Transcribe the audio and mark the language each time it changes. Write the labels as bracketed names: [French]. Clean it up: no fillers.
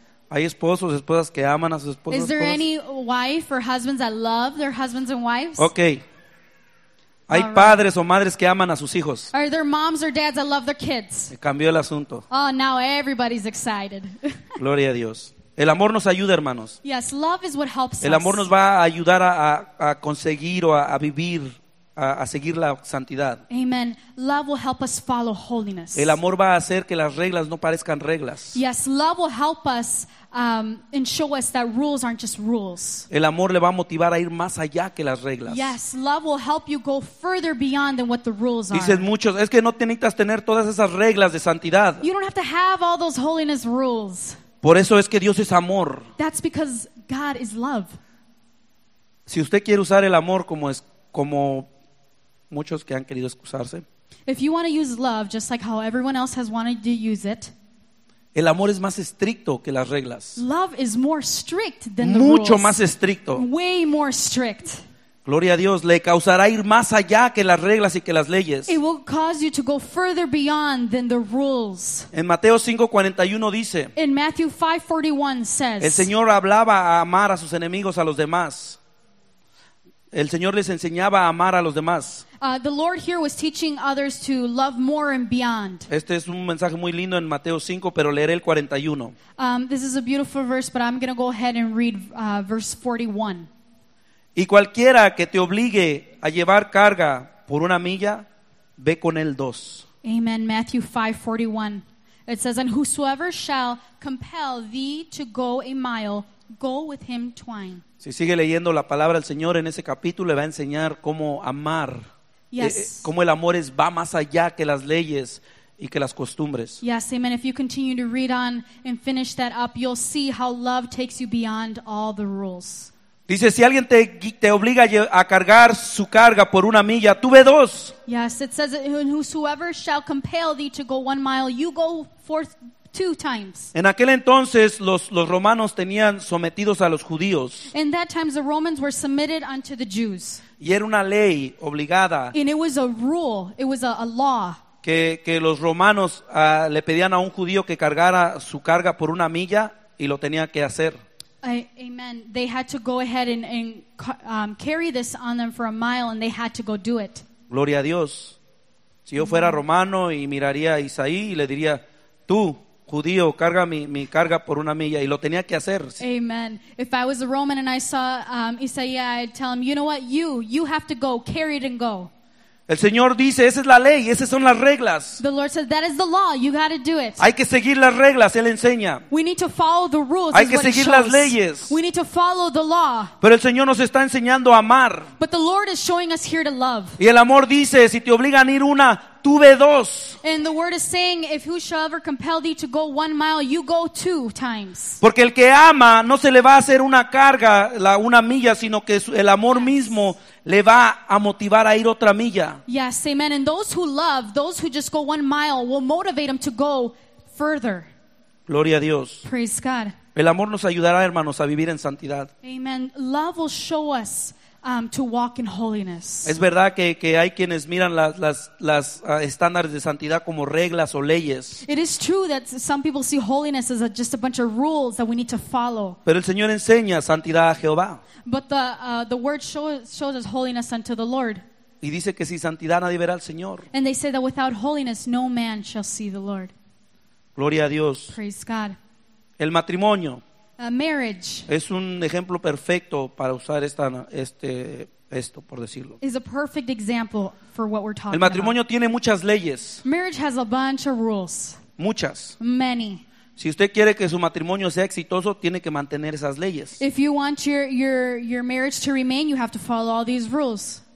[Spanish] Hay esposos, esposas que aman a sus esposos. [English] Is there any wife or husbands that love their husbands and wives? Okay. [Spanish] Hay padres o madres que aman a sus hijos. [English] Are there moms or dads that love their kids? [Spanish] Se cambió el asunto. [English] Oh, now everybody's excited. [Spanish] Gloria a Dios. El amor nos ayuda, hermanos. [English] Yes, love is what helps us. [Spanish] El amor [English] us. [Spanish] Nos va a ayudar a conseguir o a vivir, a seguir la santidad. [English] Amen. Love will help us follow holiness. [Spanish] El amor va a hacer que las reglas no parezcan reglas. [English] Yes, love will help us and show us that rules aren't just rules. [Spanish] El amor le va a motivar a ir más allá que las reglas. [English] Yes, love will help you go further beyond than what the rules are. [Spanish] Dicen muchos, es que no necesitas tener todas esas reglas de santidad. [English] You don't have to have all those holiness rules. [Spanish] Por eso es que Dios es amor. [English] That's because God is love. [Spanish] Si usted quiere usar el amor como es, como muchos que han querido excusarse. [English] If you want to use love just like how everyone else has wanted to use it. [Spanish] El amor es más estricto que las reglas. [English] Love is more strict than the [Spanish] mucho [English] rules. [Spanish] Más estricto. [English] Way more strict. [Spanish] Gloria a Dios, le causará ir más allá que las reglas y que las leyes. [English] It will cause you to go further beyond than the rules. [Spanish] En Mateo 5:41 dice. [English] In Matthew 5:41 says. [Spanish] El Señor hablaba a amar a sus enemigos, a los demás. El Señor les enseñaba a amar a los demás. [English] The Lord here was teaching others to love more and beyond. [Spanish] Este es un mensaje muy lindo en Mateo 5, pero leeré el 41. [English] This is a beautiful verse, but I'm going to go ahead and read verse 41. [Spanish] Y cualquiera que te obligue a llevar carga por una milla, ve con él dos. [English] Amen. Matthew 5:41. It says, and whosoever shall compel thee to go a mile, go with him twain. [Spanish] Si sigue leyendo la palabra del Señor en ese capítulo, le va a enseñar cómo amar. [English] Yes. [Spanish] Cómo el amor es, va más allá que las leyes y que las costumbres. [English] Yes, amen. If you continue to read on and finish that up, you'll see how love takes you beyond all the rules. [Spanish] Dice, si alguien te obliga a cargar su carga por una milla, tú ve dos. [English] Yes, it says, and whosoever shall compel thee to go 1 mile, you go forth two times. [Spanish] En aquel entonces los romanos tenían sometidos a los judíos. [English] In that time the Romans were submitted unto the Jews. [Spanish] Y era una ley obligada. [English] And it was a rule, it was a law. [Spanish] Que los romanos le pedían a un judío que cargara su carga por una milla y lo tenía que hacer. [English] Amen. They had to go ahead and carry this on them for a mile and they had to go do it. [Spanish] Gloria a Dios. Si yo fuera romano y miraría a Isaí y le diría, tú, judío, carga mi carga por una milla, y lo tenía que hacer. [English] Amen. If I was a Roman and I saw Isaiah, I'd tell him, you know what, you have to go, carry it and go. [Spanish] El Señor dice, esa es la ley, esas son las reglas. [English] The Lord says, that is the law, you got to do it. [Spanish] Hay que seguir las reglas, Él enseña. [English] We need to follow the rules. [Spanish] Hay que seguir las leyes. [English] We need to follow the law. [Spanish] Pero el Señor nos está enseñando a amar. [English] But the Lord is showing us here to love. [Spanish] Y el amor dice, si te obligan a ir una, tú ve dos. [English] And the word is saying, if who shall ever compel thee to go 1 mile, you go 2 times. [Spanish] Porque el que ama, no se le va a hacer una carga, una milla, sino que el amor mismo le va a motivar a ir otra milla. [English] Yes, amen. And those who love, those who just go 1 mile, will motivate them to go further. [Spanish] Gloria a Dios. [English] Praise God. [Spanish] El amor nos ayudará, hermanos, a vivir en santidad. [English] Amen. Love will show us to walk in holiness. [Spanish] Es verdad que hay quienes miran las estándares de santidad como reglas o leyes. [English] It is true that some people see holiness as just a bunch of rules that we need to follow. [Spanish] Pero el Señor enseña santidad a Jehová. [English] But the word shows us holiness unto the Lord. [Spanish] Y dice que sin santidad nadie verá al Señor. [English] And they say that without holiness no man shall see the Lord. [Spanish] Gloria a Dios. [English] Praise God. [Spanish] El matrimonio. [English] A marriage [Spanish] es un ejemplo perfecto para usar esto por decirlo. [English] Is a perfect example for what we're talking about. [Spanish] El matrimonio [English] about. [Spanish] Tiene muchas leyes. [English] Marriage has a bunch of rules. [Spanish] Muchas. [English] Many. [Spanish] Si usted quiere que su matrimonio sea exitoso, tiene que mantener esas leyes. [English] If you want your marriage to remain, you have to follow all these rules.